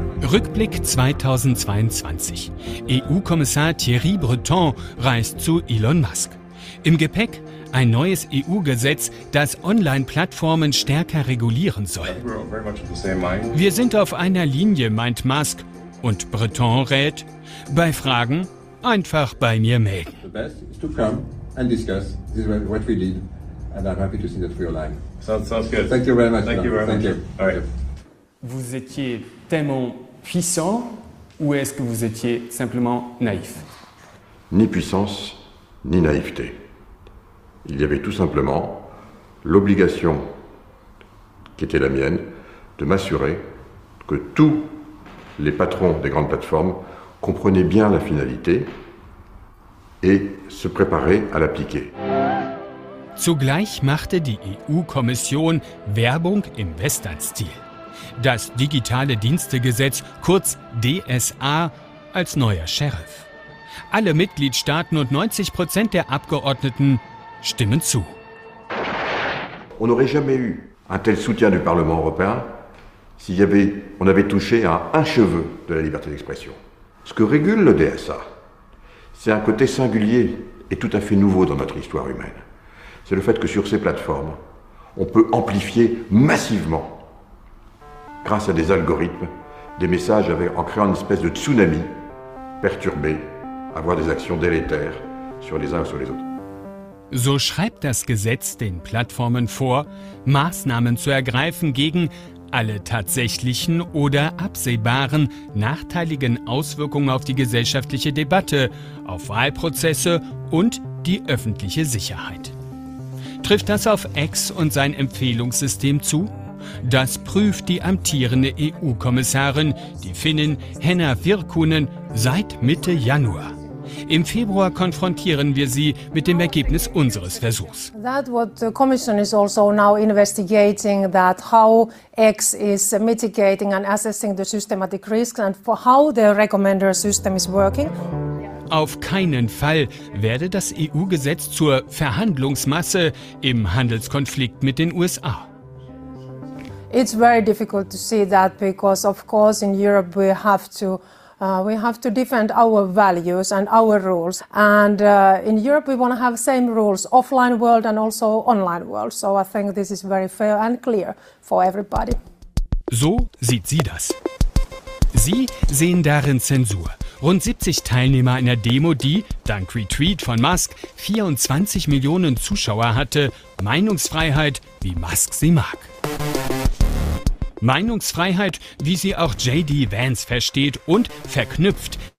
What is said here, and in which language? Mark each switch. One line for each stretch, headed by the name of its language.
German: Rückblick 2022. EU-Kommissar Thierry Breton reist zu Elon Musk. Im Gepäck ein neues EU-Gesetz, das Online-Plattformen stärker regulieren soll. Wir sind auf einer Linie, meint Musk. Und Breton rät, bei Fragen einfach bei mir melden.
English: And I'm happy to see that for your line. Sounds good. Thank you very much. Thank you very much. Thank you. All right.
French: Vous étiez tellement puissant ou est-ce que vous étiez simplement naïf? Ni puissance, ni naïveté. Il y avait tout simplement l'obligation qui était la mienne de m'assurer que tous les patrons des grandes plateformes comprenaient bien la finalité et se préparer à l'appliquer.
German: Zugleich machte die EU-Kommission Werbung im Westernstil. Das Digitale Dienstegesetz, kurz DSA, als neuer Sheriff. Alle Mitgliedstaaten und 90% der Abgeordneten stimmen zu.
French: On n'aurait jamais eu un tel soutien du Parlement européen s'il y avait, on avait touché à un cheveu de la liberté d'expression. Ce que régule le DSA, c'est un côté singulier et tout à fait nouveau dans notre histoire humaine. C'est le fait que sur ces plateformes, on peut amplifier massivement, grâce à des algorithmes, des messages en créant une espèce de tsunami, perturber, avoir des actions délétères sur les uns ou sur les autres.
German: So schreibt das Gesetz den Plattformen vor, Maßnahmen zu ergreifen gegen alle tatsächlichen oder absehbaren nachteiligen Auswirkungen auf die gesellschaftliche Debatte, auf Wahlprozesse und die öffentliche Sicherheit. Trifft das auf X und sein Empfehlungssystem zu? Das prüft die amtierende EU-Kommissarin, die Finnin Henna Virkkunen, seit Mitte Januar. Im Februar konfrontieren wir sie mit dem Ergebnis unseres Versuchs.
English: That what the Commission is also now investigating, that how X is mitigating and assessing the systematic risks and for how the recommender system is working.
German: Auf keinen Fall werde das EU-Gesetz zur Verhandlungsmasse im Handelskonflikt mit den USA.
English: It's very difficult to see that because of course in Europe we have to defend our values and our rules. And in Europe we want to have same rules, offline world and also online world. So I think this is very fair and clear for everybody.
German: So sieht sie das. Sie sehen darin Zensur. Rund 70 Teilnehmer einer Demo, die, dank Retweet von Musk, 24 Millionen Zuschauer hatte, Meinungsfreiheit, wie Musk sie mag. Meinungsfreiheit, wie sie auch J.D. Vance versteht und verknüpft.